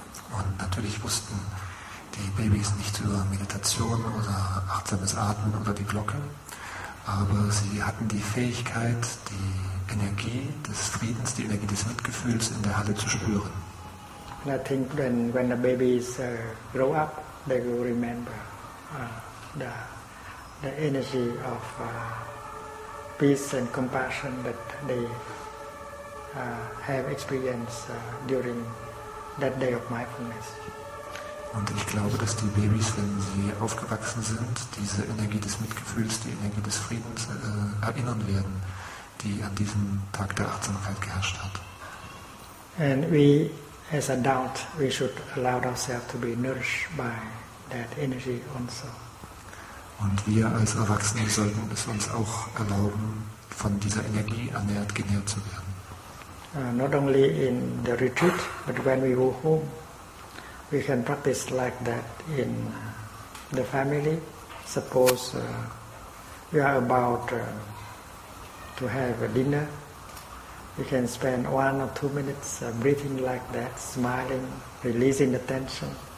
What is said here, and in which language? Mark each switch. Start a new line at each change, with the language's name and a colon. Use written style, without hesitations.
German: Und natürlich wussten die Babys nicht über Meditation oder achtsames Atmen oder die Glocke, aber sie hatten die Fähigkeit, die Energie des Friedens, die Energie des Mitgefühls in der Halle zu spüren.
English: And I think when the babies grow up, they will remember the energy of peace and compassion that they have experienced during that day of mindfulness.
German: Und ich glaube, dass die Babys, wenn sie aufgewachsen sind, diese Energie des Mitgefühls, die Energie des Friedens erinnern werden, die an diesem Tag der Achtsamkeit geherrscht hat.
English: And we, as adults, we should allow ourselves to be nourished by that energy also.
German: Und wir als Erwachsene sollten es uns auch erlauben, von dieser Energie ernährt, genährt zu werden.
English: Not only in the retreat, but when we go home, we can practice like that in the family. Suppose we are about to have a dinner, we can spend 1 or 2 minutes breathing like that, smiling, releasing the tension.